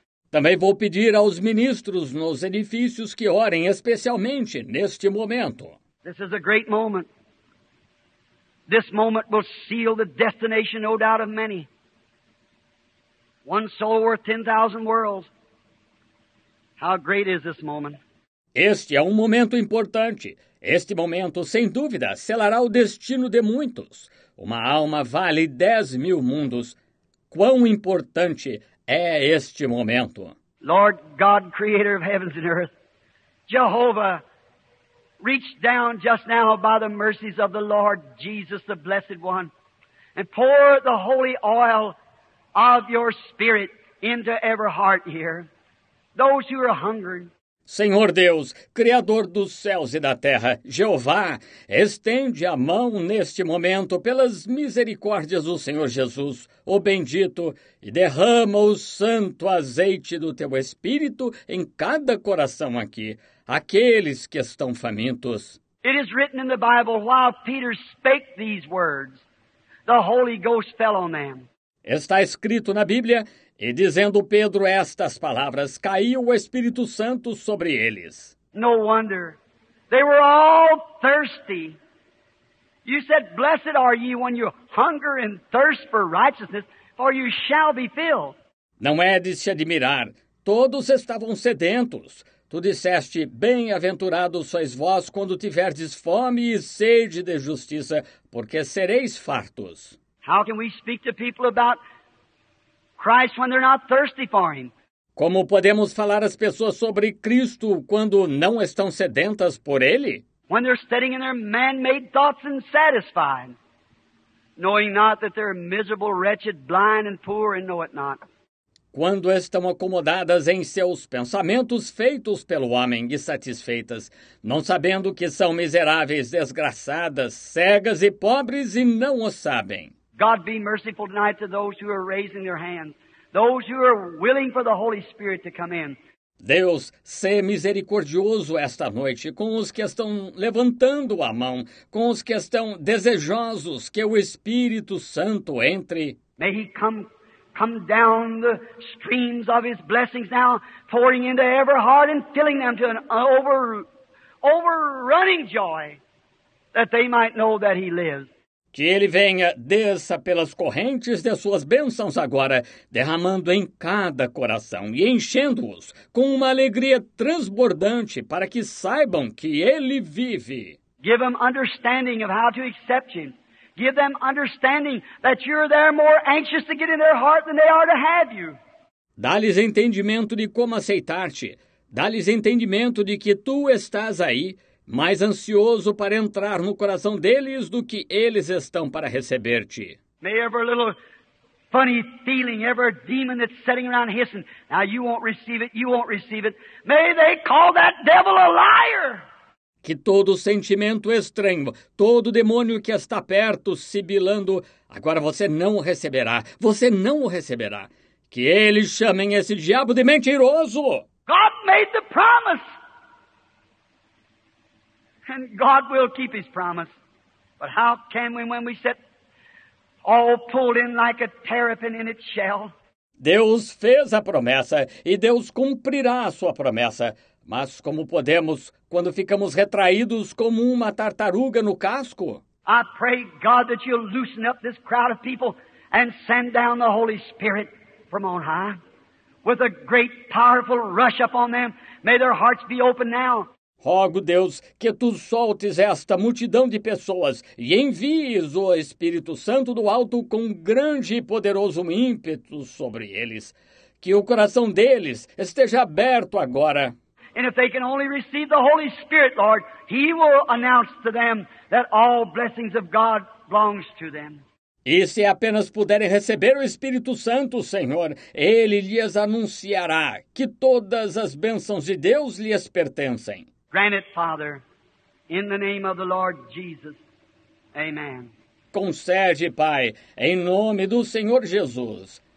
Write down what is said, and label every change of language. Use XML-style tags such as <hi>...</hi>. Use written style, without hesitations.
<pt>Também vou pedir aos ministros nos edifícios que orem especialmente neste momento.</pt> <en>This is a great moment. This moment will seal the destination, no doubt, of many. One soul worth 10,000 worlds. How great is this moment?</en> <pt>Este é um momento importante. Este momento, sem dúvida, selará o destino de muitos. Uma alma vale 10,000 mundos. Quão importante é este momento?</pt> <en>Lord God, Creator of heavens and earth, Jehovah, reach down just now by the mercies of the Lord Jesus, the Blessed One, and pour the holy oil of your Spirit into every heart here. Those who are hungry.</en> <pt>Senhor Deus, Criador dos céus e da terra, Jeová, estende a mão neste momento pelas misericórdias do Senhor Jesus, o bendito, e derrama o santo azeite do teu Espírito em cada coração aqui, aqueles que estão famintos.</pt> <en>It is written in the Bible, while Peter spake these words, the Holy Ghost fell on them.</en> <pt>Está escrito na Bíblia, e dizendo Pedro estas palavras, caiu o Espírito Santo sobre eles.</pt> <en>No wonder. They were all thirsty. You said, blessed are ye when you hunger and thirst for righteousness, for you shall be filled.</en> <pt>Não é de se admirar. Todos estavam sedentos. Tu disseste, bem-aventurados sois vós quando tiverdes fome e sede de justiça, porque sereis fartos.</pt> <en>How can we speak to people about Christ when they're not thirsty for him?</en> <pt>Como podemos falar às pessoas sobre Cristo quando não estão sedentas por ele?</pt> <en>When they're sitting in their man-made thoughts and satisfied, knowing not that they're miserable, wretched, blind and poor and know it not.</en> <pt>Quando estão acomodadas em seus pensamentos feitos pelo homem e satisfeitas, não sabendo que são miseráveis, desgraçadas, cegas e pobres e não o sabem.</pt> <en>God be merciful tonight to those who are raising their hands, those who are willing for the Holy Spirit to come in.</en> <pt>Deus, sê misericordioso esta noite com os que estão levantando a mão, com os que estão desejosos que o Espírito Santo entre.</pt> <en>May he come down the streams of his blessings now, pouring into every heart and filling them to an overrunning joy, that they might know that he lives.</en> <pt>Que ele venha, desça pelas correntes de suas bênçãos agora, derramando em cada coração e enchendo-os com uma alegria transbordante para que saibam que ele vive.</pt> <en>Give them understanding of how to accept him. Give them understanding that you're there more anxious to get in their heart than they are to have you.</en> <pt>Dá-lhes entendimento de como aceitar-te. Dá-lhes entendimento de que tu estás aí, mais ansioso para entrar no coração deles do que eles estão para receber-te.</pt> <en>May every little funny feeling, every demon that's sitting around hissing, now you won't receive it, you won't receive it. May they call that devil a liar!</en> <pt>Que todo sentimento estranho, todo demônio que está perto, sibilando, agora você não o receberá, você não o receberá. Que eles chamem esse diabo de mentiroso!</pt> <en>God made the promise! And God will keep his promise. But how can we when we sit all pulled in like a terrapin in its shell?</en> <pt>Deus fez a promessa e Deus cumprirá a sua promessa. Mas como podemos quando ficamos retraídos como uma tartaruga no casco?</pt> <en>I pray God that you'll loosen up this crowd of people and send down the Holy Spirit from on high with a great powerful rush upon them. May their hearts be open now.</en> <pt>Rogo, Deus, que tu soltes esta multidão de pessoas e envies o Espírito Santo do alto com um grande e poderoso ímpeto sobre eles. Que o coração deles esteja aberto agora.</pt> <en>And if they can only receive the Holy Spirit, Lord, He will announce to them that all blessings of God belongs to them.</en> <pt>E se apenas puderem receber o Espírito Santo, Senhor, Ele lhes anunciará que todas as bênçãos de Deus lhes pertencem.</pt> <en>Grant it, Father, in the name of the Lord Jesus. Amen.</en> <pt>Concede, Pai, em nome do Senhor Jesus.</pt>